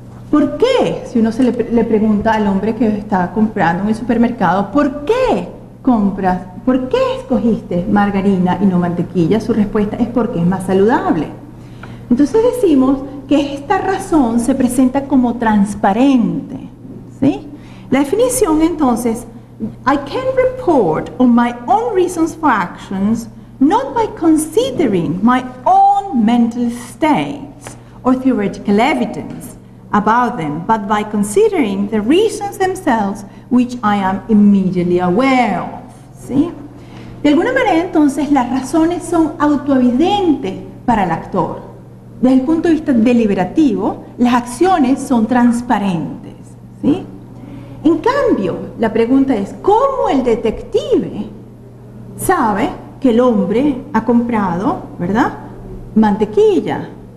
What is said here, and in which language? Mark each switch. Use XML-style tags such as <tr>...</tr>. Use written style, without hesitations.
<es>¿Por qué, si uno se le pregunta al hombre que está comprando en el supermercado, ¿por qué compras, por qué escogiste margarina y no mantequilla? Su respuesta es porque es más saludable. Entonces decimos que esta razón se presenta como transparente, ¿sí? La definición entonces,</es> <en>I can report on my own reasons for actions not by considering my own mental states or theoretical evidence about them, but by considering the reasons themselves which I am immediately aware of.</en> <es>¿Sí? De alguna manera entonces las razones son autoevidentes para el actor. Desde el punto de vista deliberativo, las acciones son transparentes. ¿Sí? En cambio, la pregunta es, ¿cómo el detective sabe que el hombre ha comprado, ¿verdad?, margarina?</es>